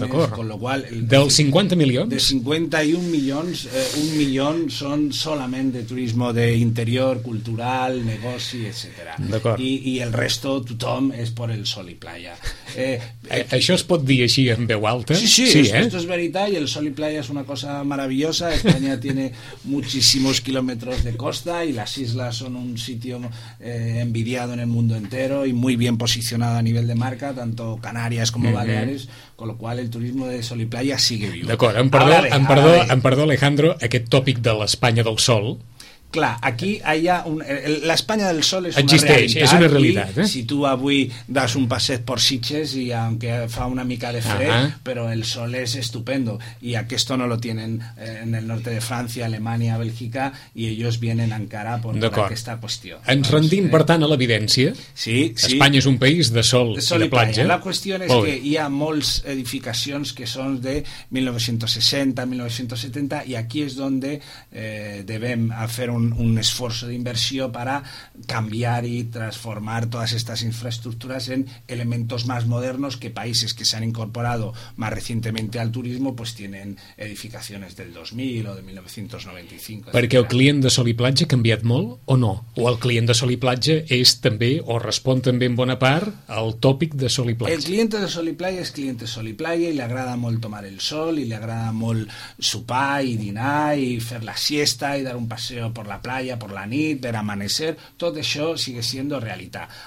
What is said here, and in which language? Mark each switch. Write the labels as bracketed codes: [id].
[ca] D'acord. [es] Con lo cual, [ca] dels 50 milions? De 51 milions, 1 milió són solament de turisme d'interior, cultural, negoci, etcètera. D'acord. I [es] el resto, [ca] tothom és per el sol i platja. Això es pot dir així en veu alta? Sí, [es] esto es [ca] veritat, i el sol i [es] playa [ca] és una cosa [es] maravillosa. Espanya tiene muchísimos kilómetros de costa y las islas son un sitio envidiado en el mundo entero y muy bien posicionado a nivel de marca, tanto Canarias como Baleares, con lo cual el turismo de sol i playa sigue vivo. [ca] D'acord, em perdó, Alejandro, aquest tòpic de l'Espanya del sol. Clar, aquí hi ha l'Espanya del Sol és una realitat. I, si tu avui das un passeig per Sitges i [es] aunque [ca] fa una mica de fred, però el sol és [es] estupendo, [ca] i aquesto no [es] lo tienen en el norte [ca] de França, Alemanya, Bèlgica, i ells [es] vienen [ca] encara per aquesta qüestió. Ens rendim, per tant, a l'evidència. Sí, sí. Espanya és un país de sol, sol i de platja. La qüestió és que hi ha moltes edificacions que són de 1960, 1970, i aquí és on devem [es] fer un esfuerzo de inversión para cambiar y transformar todas estas infraestructuras en elementos más modernos, que países que se han incorporado más recientemente al turismo pues tienen edificaciones del 2000 o de 1995. [ca] Perquè el client de sol i platja ha canviat molt o no? O el client de sol i platja és també, o respon també en bona part al tòpic de sol i platja? El client de sol i platja és client de sol i platja, i li agrada molt [es] tomar el sol, [ca] i li agrada molt sopar i dinar i fer la siesta i [es] dar un paseo por la playa, [ca] por la nit, [es] ver amanecer, [ca] tot això [es] sigue siendo [ca] realitat.